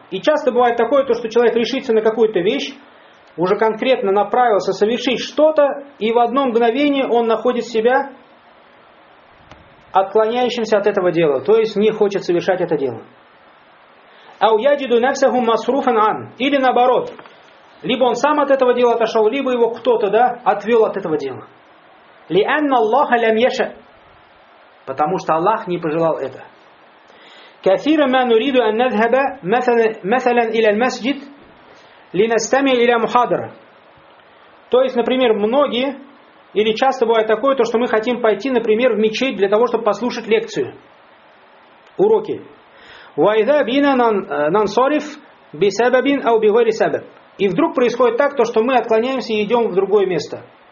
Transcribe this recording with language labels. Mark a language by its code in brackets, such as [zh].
[ru] И часто бывает такое, то, что человек решится на какую-то вещь, уже конкретно направился совершить что-то, и в одно мгновение он находит себя отклоняющимся от этого дела, то есть не хочет совершать это дело. [ar] أو يجد نفسه مصروفا عن. Или наоборот. [ru] Либо он сам от этого дела отошел, либо его кто-то, да, отвел от этого дела. [ar] لأن الله لم يشاء. [ru] Потому что Аллах не пожелал это. [ar] كثيرا ما نريد أن نذهب مثلا إلى المسجد لنستمع إلى محاضرة. [ru] То есть, например, многие, или часто бывает такое, то, что мы хотим пойти, например, в мечеть для того, чтобы послушать лекцию, уроки. [ar] وَإِذَا بِنَا نَنْصَرِفْ بِسَبَبٍ أَوْ بِغَيْرِ سَبَبٍ. [ru] И вдруг происходит так, то, что мы отклоняемся и идем в другое место.